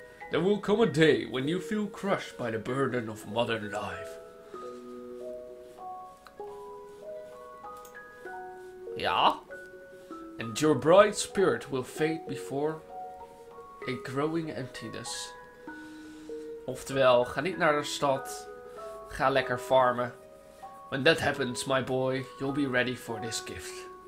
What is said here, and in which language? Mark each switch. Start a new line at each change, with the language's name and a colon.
English: There will come a day when you feel crushed by the burden of modern life. Ja? And your bright spirit will fade before a growing emptiness.
Dutch: Oftewel, ga niet naar de stad. Ga lekker farmen.
English: When that happens, my boy, you'll be ready for this gift.